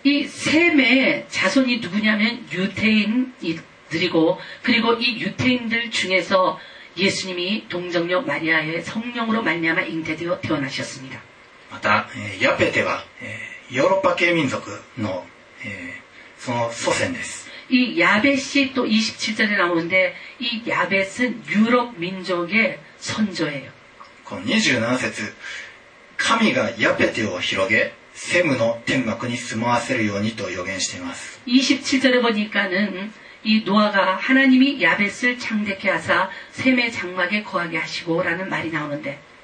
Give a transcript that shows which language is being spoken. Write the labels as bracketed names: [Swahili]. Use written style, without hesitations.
[Korean] 이셈의자손이누구냐면유태인들이고그리고이유태인들중에서예수님이동정녀마리아의성령으로말미암아잉태되어태어나셨습니다 [Japanese] またヤペテはヨーロッパ系民族のその祖先です [Korean] 이야벳이또27절에나오는데이야벳은유럽민족의선조예요 [Japanese] この27節神がヤペテを広げセムの天幕に住まわせるようにと予言しています。 [Korean] 27절에보니까는이노아가하나님이야벳을창대케하사셈의장막에거하게하시고라는말이나오는데